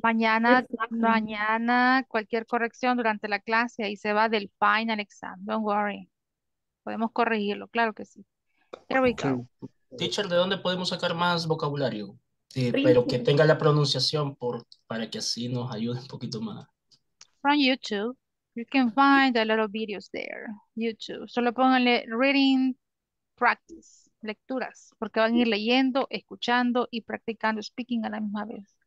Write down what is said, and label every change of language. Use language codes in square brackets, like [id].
[es] Mañana cualquier corrección durante la clase y se va del final exam. [en] Don't worry. [es] Podemos corregirlo, claro que sí. [en] Here we go. [es] Teacher, ¿de dónde podemos sacar más vocabulario? Sí, pero que tenga la pronunciación para que así nos ayude un poquito más. [en] From YouTube. You can find a lot of videos there. [es] YouTube. Solo pónganle reading practice. Lecturas, porque van a ir leyendo, escuchando y practicando speaking a la misma vez.